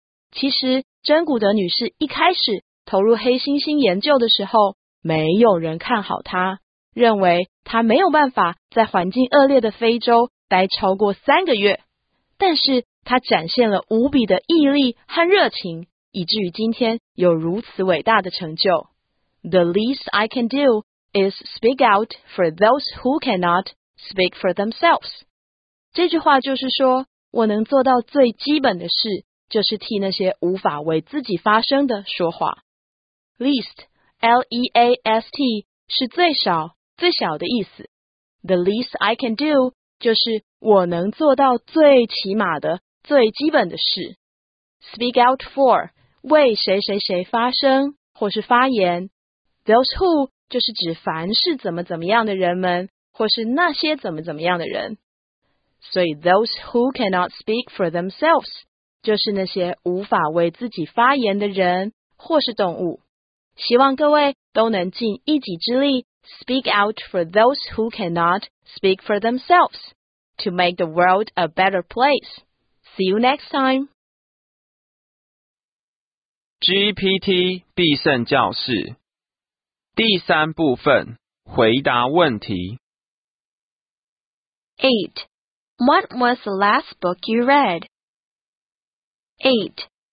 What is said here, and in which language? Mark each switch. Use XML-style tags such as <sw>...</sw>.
<zh>其实真骨德女士一开始投入黑猩猩研究的时候，没有人看好她，认为她没有办法在环境恶劣的非洲待超过3个月，但是她展现了无比的毅力和热情，以至于今天有如此伟大的成就。</zh> <en>The least I can do is speak out for those who cannot speak for themselves.</en> <zh>这句话就是说，我能做到最基本的事，就是替那些无法为自己发声的说话。 Least, L-E-A-S-T, 是最少、最小的意思。</zh> <en>The least I can do</en> <zh>就是我能做到最起码的、最基本的事。</zh> <en>Speak out for,</en> <zh>为谁谁谁发声或是发言。</zh> <en>Those who</en> <zh>就是指凡是怎么怎么样的人们，或是那些怎么怎么样的人。所以</zh> <en>those who cannot speak for themselves</en> <zh>就是那些无法为自己发言的人或是动物。希望各位都能尽一己之力</zh> <en>speak out for those who cannot speak for themselves to make the world a better place. See you next time.</en> <zh>GPT 必胜教室第三部分，回答问题。</zh> <en>8. What was the last book you read? 8.</en>